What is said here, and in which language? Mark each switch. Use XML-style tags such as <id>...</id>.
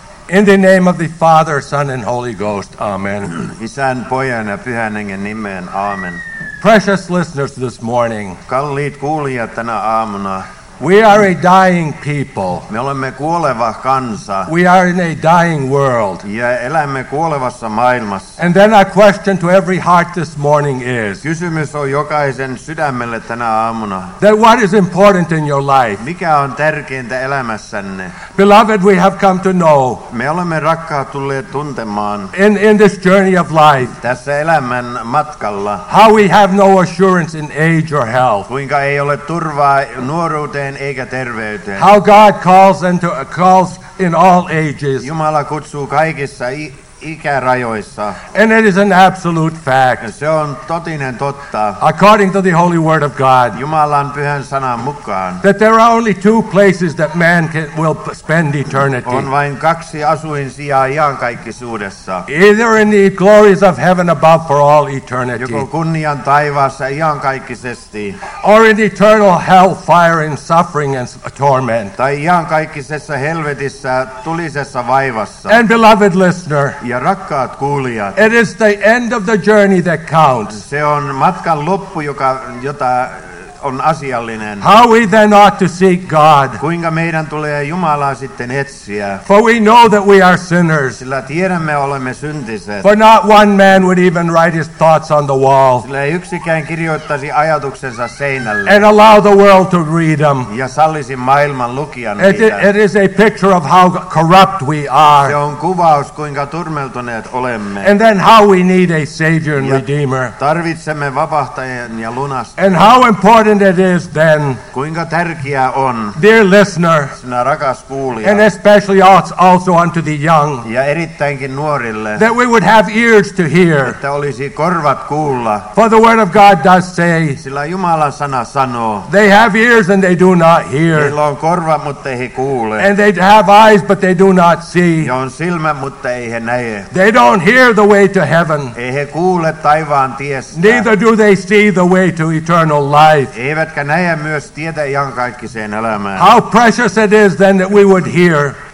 <en>In the name of the Father, Son, and Holy Ghost. Amen.</en> <fi>Isän, Pojan ja Pyhän Hengen nimeen. Amen.</fi> <en>Precious listeners this morning.</en> <fi>Kalliit kuulijat tänä aamuna.</fi> <en>We are a dying people.</en> <fi>Me olemme kuoleva kansa.</fi> <en>We are in a dying world.</en> <fi>Ja elämme kuolevassa maailmassa.</fi> <en>And then a question to every heart this morning is.</en> <fi>Kysymys on jokaisen sydämelle tänä aamuna.</fi> <en>That what is important in your life?</en> <fi>Mikä on tärkeintä elämässänne?</fi> <en>Beloved, we have come to know.</en> <fi>Me olemme rakkaat tulleet tuntemaan.</fi> <en>In this journey of life.</en> <fi>Tässä elämän matkalla.</fi> <en>How we have no assurance in age or health.</en> <fi>Kuinka ei ole turvaa nuoruuteen.</fi> <en>How God calls into calls in all ages.</en> <fi>Jumala kutsuu kaikissa ikärajoissa.</fi> <en>And it is an absolute fact.</en> <fi>Se on totinen totta.</fi> <en>According to the Holy Word of God.</en> <fi>Jumalan pyhän sanan mukaan.</fi> <en>That there are only two places that man will spend eternity.</en> <fi>On vain kaksi asuinsijaa iankaikkisuudessa.</fi> <en>Either in the glories of heaven above for all eternity.</en> <fi>Joko kunnian taivaassa iankaikkisesti.</fi> <en>Or in eternal hell fire and suffering and torment.</en> <fi>Tai iankaikkisessa helvetissä tulisessa vaivassa.</fi> <en>And beloved listener.</en> <fi>Ja rakkaat kuulijat.</fi> <en>It is the end of the journey that counts.</en> <fi>Se on matkan loppu, jota on asiallinen.</fi> <en>How we then ought to seek God.</en> <fi>Kuinka meidän tulee Jumalaa sitten etsiä.</fi> <en>For we know that we are sinners.</en> <fi>Sillä tiedämme olemme syntiset.</fi> <en>For not one man would even write his thoughts on the wall.</en> <fi>Sillä ei yksikään kirjoittaisi ajatuksensa seinälle.</fi> <en>And allow the world to read them.</en> <fi>Ja sallisi maailman lukia niitä.</fi> <en>It is a picture of how corrupt we are.</en> <fi>Se on kuvaus kuinka turmeltuneet olemme.</fi> <en>And then how we need a savior and redeemer.</en> <fi>Tarvitsemme vapahtajan ja lunastajan.</fi> <en>And how important it is then,</en> <fi>kuinka tärkeää on,</fi> <en>dear listener,</en> <fi>sinä rakas kuulija,</fi> <en>and especially also unto the young,</en> <fi>ja erittäinkin nuorille,</fi> <en>that we would have ears to hear,</en> <fi>että olisi korvat kuulla,</fi> <en>for the word of God does say,</en> <fi>sillä Jumalan sana sanoo,</fi> <en>they have ears and they do not hear,</en> <fi>heillä on korvat mutta he kuule,</fi> <en>and they have eyes but they do not see,</en> <fi>ja on silmät mutta ei he näe,</fi> <en>they don't hear the way to heaven,</en> <fi>ei he kuule taivaan tiestä,</fi> <en>neither do they see the way to eternal life.</en> <fi>Eivätkä näe myös tietä iankaikkiseen elämään.</fi> <en>How precious it is then that we would hear.</en>